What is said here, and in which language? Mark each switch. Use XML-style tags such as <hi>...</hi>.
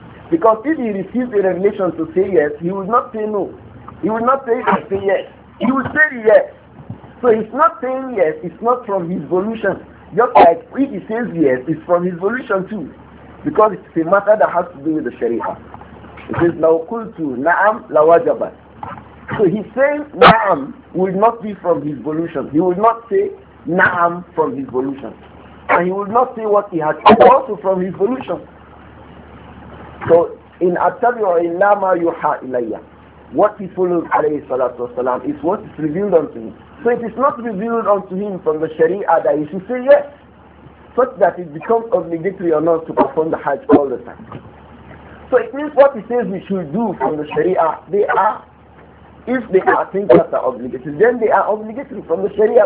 <en>Because if he received the revelation to say yes, he would not say no. He would not say yes. He would say yes. So he's not saying yes, it's not from his volition. Just like if he says yes, it's from his volition too. Because it's a matter that has to do with the Sharia. It says,</en> <ar>لَوْ كُلْتُ نَعَمْ لَوَجَبَتْ.</ar> <en>So he's saying na'am would not be from his volition. He would not say na'am from his volition. And he would not say what he had also from his volition. So in</en> <ar>أَتَّبِعُ إِلَّا مَا يُحَى إِلَيَّ.</ar> <en>What he followed alayhi salatu wasalam is what is revealed unto him. So it is not revealed unto him from the Sharia that he should say yes, such that it becomes obligatory or not to perform the Hajj all the time. So it means what he says we should do from the Sharia, they are, if they are things that are obligatory, then they are obligatory from the Sharia.</en>